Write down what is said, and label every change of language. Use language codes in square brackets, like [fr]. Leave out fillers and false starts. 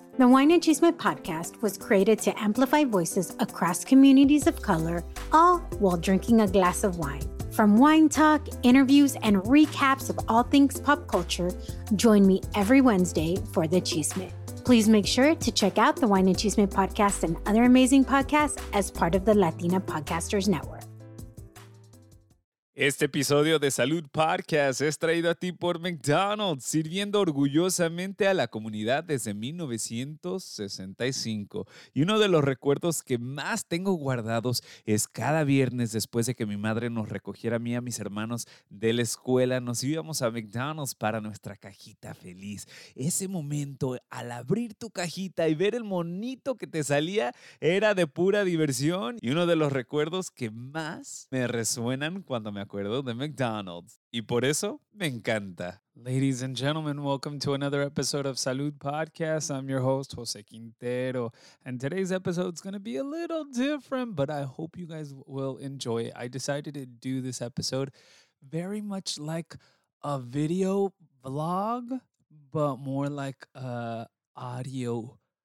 [en] The Wine and Chisme podcast was created to amplify voices across communities of color, all while drinking a glass of wine. From wine talk, interviews, and recaps of all things pop culture, join me every Wednesday for the chisme. Please make sure to check out the Wine and Chisme podcast and other amazing podcasts as part of the Latina Podcasters Network. [es] Este episodio de Salud Podcast es traído a ti por McDonald's, sirviendo orgullosamente a la comunidad desde 1965. Y uno de los recuerdos que más tengo guardados es cada viernes después de que mi madre nos recogiera a mí y a mis hermanos de la escuela, nos íbamos a McDonald's para nuestra cajita feliz. Ese momento al abrir tu cajita y ver el monito que te salía era de pura diversión y uno de los recuerdos que más me resuenan cuando me acuerdo de McDonald's. Y por eso me encanta. [en] Ladies and gentlemen, welcome to another episode of Salud Podcast. I'm your host, Jose Quintero. And today's episode is going to be a little different, but I hope you guys will enjoy it. I decided to do this episode very much like a video vlog, but more like audio.